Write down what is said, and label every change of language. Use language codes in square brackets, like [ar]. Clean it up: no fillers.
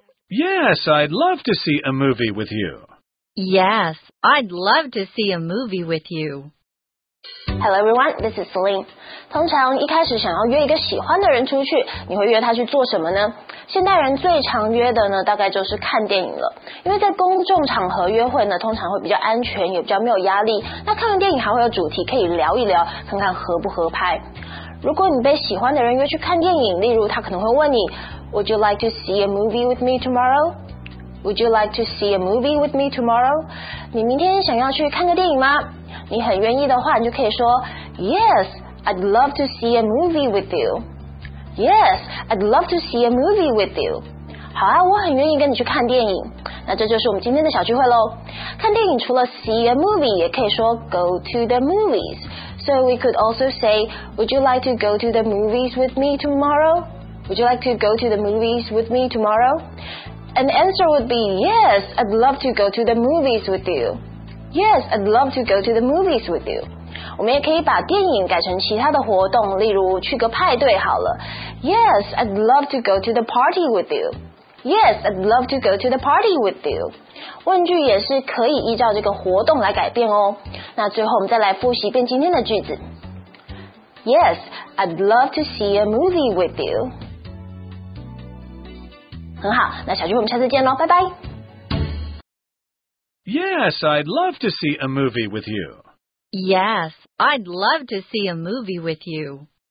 [en] Yes, I'd love to see a movie with you. Yes, I'd love to see a movie with you. Hello everyone, this is Celine. [zh] 通常一开始想要约一个喜欢的人出去，你会约他去做什么呢？现代人最常约的呢，大概就是看电影了。因为在公众场合约会呢，通常会比较安全，也比较没有压力。那看完电影还会有主题可以聊一聊，看看合不合拍。如果你被喜欢的人约去看电影，例如他可能会问你 [en] Would you like to see a movie with me tomorrow? Would you like to see a movie with me tomorrow? [zh] 你明天想要去看个电影吗？你很愿意的话，你就可以说 [en] Yes, I'd love to see a movie with you. [zh] Yes, I'd love to see a movie with you. 好啊，我很愿意跟你去看电影。那这就是我们今天的小聚会咯。看电影除了 [en] see a movie, [zh] 也可以说 [en] go to the movies. So we could also say, Would you like to go to the movies with me tomorrow? Would you like to go to the movies with me tomorrow? And the answer would be, Yes, I'd love to go to the movies with you. Yes, I'd love to go to the movies with you. [zh] 我们也可以把电影改成其他的活动，例如去个派对好了。 [en] Yes, I'd love to go to the party with you. Yes, I'd love to go to the party with you. [zh] 问句也是可以依照这个活动来改变哦。那最后我们再来复习一遍今天的句子。 [en] Yes, I'd love to see a movie with you. [zh] 很好，那小聚我们下次见咯，拜拜。 [en] Yes, I'd love to see a movie with you. Yes, I'd love to see a movie with you.